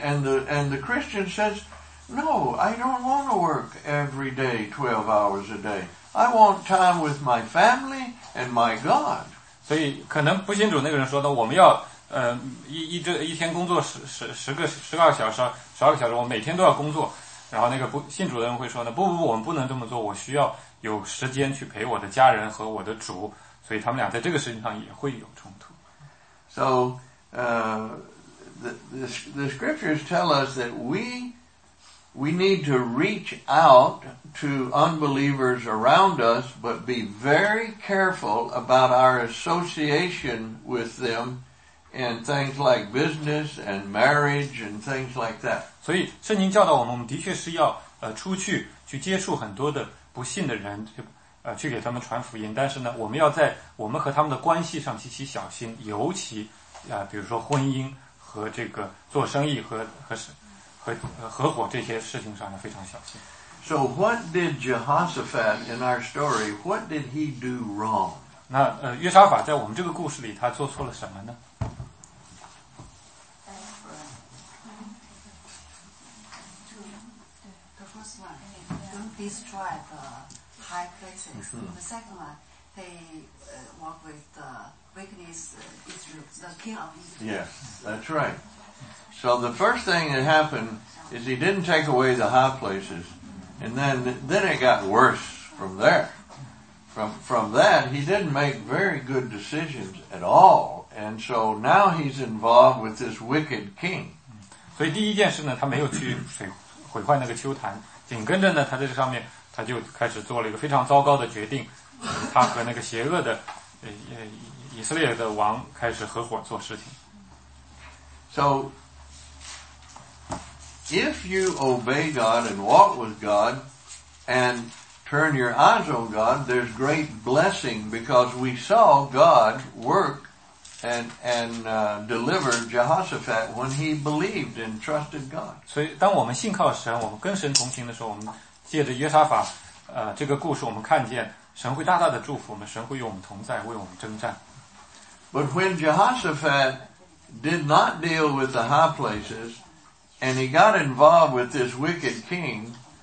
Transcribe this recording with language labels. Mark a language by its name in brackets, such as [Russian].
[English] And the Christian says, no, I don't want to work every day, 12 hours a day. I want time with my family and my God. [Chinese] 所以可能不信主那个人说的，我们要一天工作十二个小时，我每天都要工作。然后那个不信主的人会说呢，不，我们不能这么做，我需要有时间去陪我的家人和我的主。所以他们俩在这个事情上也会有冲突。 [English] So, the scriptures tell us that we need to reach out. To unbelievers around us, but be very careful about our association with them in things like business and marriage and things like that. [Chinese] 所以圣经教导我们，我们的确是要出去去接触很多的不信的人，去给他们传福音。但是呢，我们要在我们和他们的关系上极其小心，尤其比如说婚姻和这个做生意和合伙这些事情上呢，非常小心。 [English] So what did Jehoshaphat in our story, what did he do wrong? [Chinese] 那约沙法在我们这个故事里他做错了什么呢？ [English] The first one, don't destroy the high places. The second one, they work with the weakness Israel, the king of Israel. Yes, that's right. So the first thing that happened is he didn't take away the high places. And then it got worse from there. From that, he didn't make very good decisions at all. And so now he's involved with this wicked king. [Chinese] 所以第一件事呢，他没有去毁坏那个丘坛。紧跟着呢，他在这上面，他就开始做了一个非常糟糕的决定。他和那个邪恶的以色列的王开始合伙做事情。 [English] So,If you obey God and walk with God and turn your eyes on God, there's great blessing because we saw God work deliver Jehoshaphat when he believed and trusted God. [Chinese] 所以当我们信靠神，我们跟神同行的时候，我们借着约沙法这个故事，我们看见神会大大的祝福我们，神会与我们同在，为我们征战。 [English] But when Jehoshaphat did not deal with the high places,And he got involved with this wicked king.